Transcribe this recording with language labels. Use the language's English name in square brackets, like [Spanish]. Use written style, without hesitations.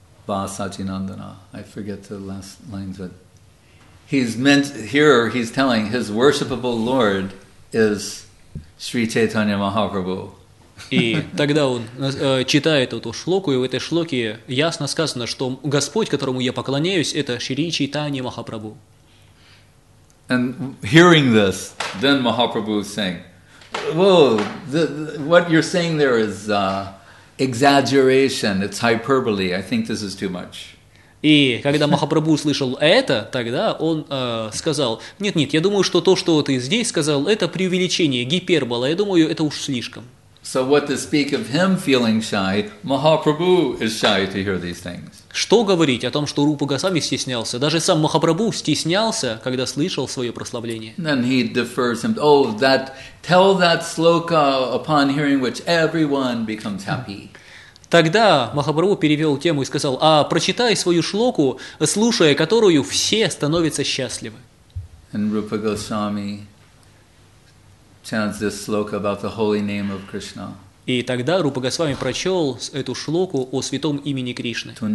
[English] I forget the last lines, but he's telling his worshipable Lord is Sri Chaitanya Mahaprabhu. [Russian] И тогда он читает эту шлоку, и в этой шлоке ясно сказано, что Господь, которому я поклоняюсь, это Шри Чайтанья Махапрабху. [English] And hearing this, then Mahaprabhu is saying, "Whoa, what you're saying there is exaggeration. It's hyperbole. I think this is too much." [Russian] И когда Махапрабху услышал это, тогда он сказал: "Нет, я думаю, что то, что ты здесь сказал, это преувеличение, гипербола. Я думаю, это уж слишком." [English] So what to speak of him feeling shy? Mahaprabhu is shy to hear these things. [Russian] Что говорить о том, что Рупа Госвами стеснялся? Даже сам Махапрабху стеснялся, когда слышал свое прославление. [English] Then he defers him. Oh, that tell that sloka upon hearing which everyone becomes happy. [Russian] Тогда Махапрабху перевел тему и сказал: а прочитай свою шлоку, слушая которую все становятся счастливы. [English] And Rupa Goswami chants this sloka about the holy name of Krishna. [Russian] И тогда Рупа Госвами прочел эту шлоку о святом имени Кришны.